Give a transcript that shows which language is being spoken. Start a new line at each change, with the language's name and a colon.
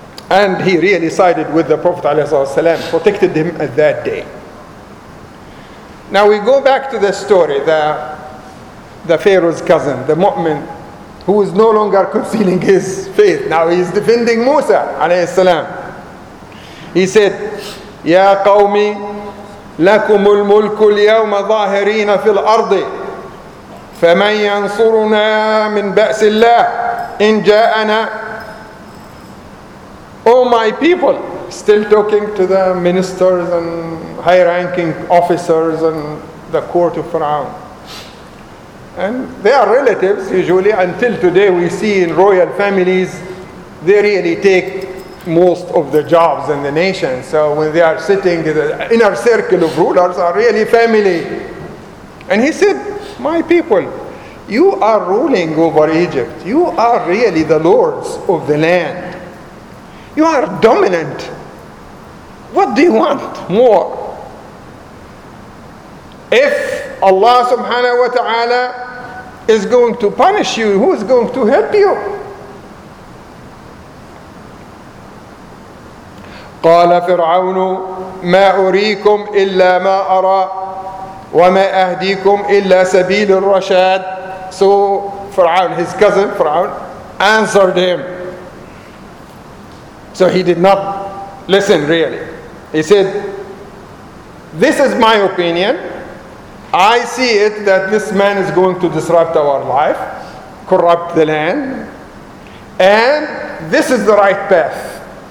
English: And he really sided with the Prophet ﷺ, protected him at that day. Now we go back to the story, the Pharaoh's cousin, the mu'min, who is no longer concealing his faith. Now he is defending Musa
Arabic: عليه السلام. He said, يا قوم لكم الملك اليوم ظاهرين في الأرض فمن ينصرنا من بأس الله إن جاءنا.
English: Oh my people, still talking to the ministers and high-ranking officers and the court of Pharaoh. And they are relatives, usually. Until today, we see in royal families, they really take most of the jobs in the nation. So when they are sitting in the inner circle of rulers, are really family. And he said, my people, you are ruling over Egypt. You are really the lords of the land. You are dominant. What do you want more? If Allah subhanahu wa ta'ala is going to punish you, who is going to help you?
Arabic: قال فرعون ما أريكم إلا ما أرى وما أهديكم إلا سبيل الرشاد.
English: So Pharaoh, his cousin Pharaoh, answered him. So he did not listen really. He said, this is my opinion. I see it that this man is going to disrupt our life, corrupt the land, and this is the right path.